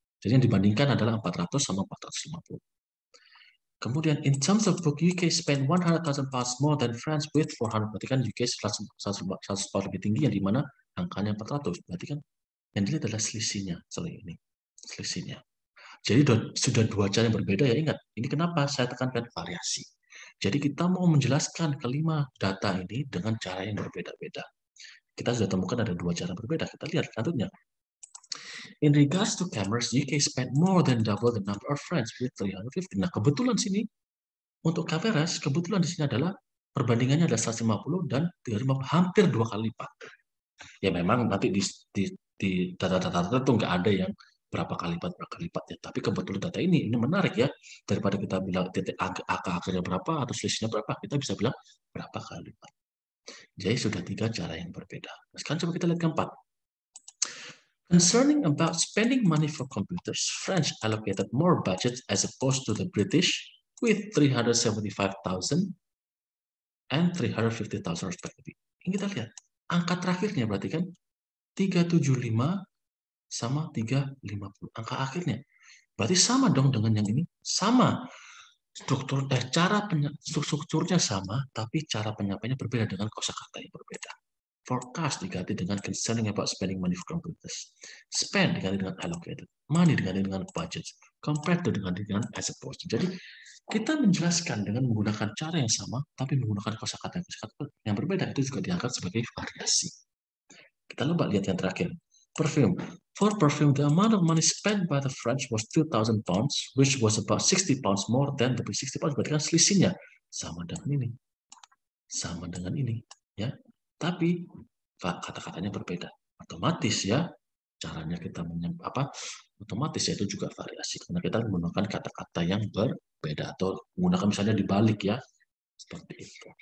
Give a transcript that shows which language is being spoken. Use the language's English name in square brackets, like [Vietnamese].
[Indonesian] Jadi yang dibandingkan adalah 400 sama 450. [English] Kemudian, in terms of book, UK spent 100,000 pounds more than France with 400. [Indonesian] Berarti kan UK 100 pounds lebih tinggi, yang dimana angkanya 400. Berarti kan yang dilihat adalah selisihnya. Sorry, ini selisihnya. Jadi sudah dua cara yang berbeda ya, ingat. Ini kenapa saya tekankan variasi. Jadi kita mau menjelaskan kelima data ini dengan cara yang berbeda-beda. Kita sudah temukan ada dua cara berbeda. Kita lihat selanjutnya. [English] In regards to cameras, UK spent more than double the number of France with 350. [Indonesian] Nah, kebetulan sini, untuk cameras, kebetulan di sini adalah perbandingannya ada 150 dan 350, hampir dua kali lipat. Ya, memang nanti di data-data tertentu nggak ada yang berapa kali lipat ya. Tapi kebetulan data ini menarik ya. Daripada kita bilang titik angka akhirnya berapa atau selisihnya berapa, kita bisa bilang berapa kali lipat. Jadi sudah tiga cara yang berbeda. Sekarang coba kita lihat keempat. [English] Concerning about spending money for computers, French allocated more budget as opposed to the British with 375,000 and 350,000 respectively. [Indonesian] Ini kita lihat. Angka terakhirnya berarti kan 375 sama 350. Angka akhirnya. Berarti sama dong dengan yang ini. Sama. Strukturnya sama, tapi cara penyampaiannya berbeda dengan kosakata yang berbeda. Forecast diganti dengan [English] concerning about spending money for computers. [Indonesian] Spend diganti dengan allocated. Money diganti dengan budget. Compared to diganti dengan as opposed. Jadi kita menjelaskan dengan menggunakan cara yang sama, tapi menggunakan kosakata yang berbeda. Itu juga dianggap sebagai variasi. Kita coba lihat yang terakhir. Perfume. [English] For perfume, the amount of money spent by the French was 2,000 pounds, which was about 60 pounds more than the 60 pounds. [Indonesian] Berarti kan selisihnya sama dengan ini. Sama dengan ini. Ya. Tapi kata-katanya berbeda. Otomatis ya, caranya kita apa? Otomatis ya, itu juga variasi. Karena kita menggunakan kata-kata yang berbeda. Atau menggunakan misalnya dibalik ya. Seperti itu.